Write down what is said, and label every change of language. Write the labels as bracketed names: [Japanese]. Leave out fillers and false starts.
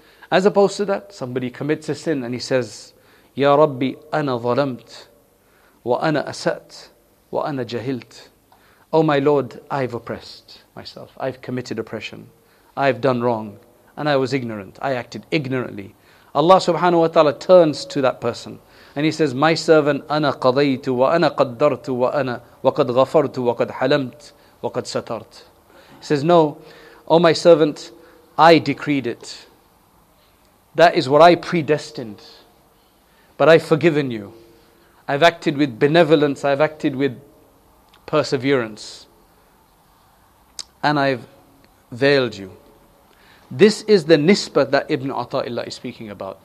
[English] As opposed to that, somebody commits a sin and he says, [Arabic] Ya Rabbi, ana zalamt wa ana asat wa ana jahilt. [English] Oh my Lord, I've oppressed myself. I've committed oppression. I've done wrong and I was ignorant. I acted ignorantly. Allah subhanahu wa ta'ala turns to that person. And he says, my servant, [Arabic] أنا قضيت وأنا قدرت وأنا وقد غفرت وقد حلمت وقد سترت. [English] He says, no, oh my servant, I decreed it. That is what I predestined. But I've forgiven you. I've acted with benevolence. I've acted with perseverance. And I've veiled you. This is the nisbah that Ibn Ata'illah is speaking about.